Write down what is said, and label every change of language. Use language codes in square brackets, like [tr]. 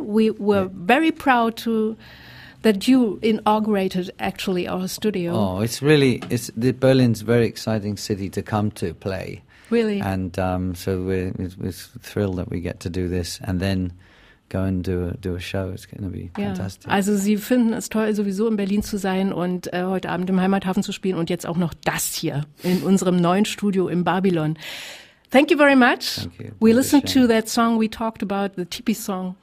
[en] We were very proud to that you inaugurated actually our studio. Oh, it's really Berlin's a very exciting city to come to play. Really. And so we're thrilled that we get to do this and then go and do a show. It's going to be fantastic. [de] Also Sie finden es toll, sowieso in Berlin zu sein und heute Abend im Heimathafen zu spielen und jetzt auch noch das hier in unserem neuen Studio im Babylon. [en] Thank you very much. Thank you. We listened to that song we talked about, the Tipi song.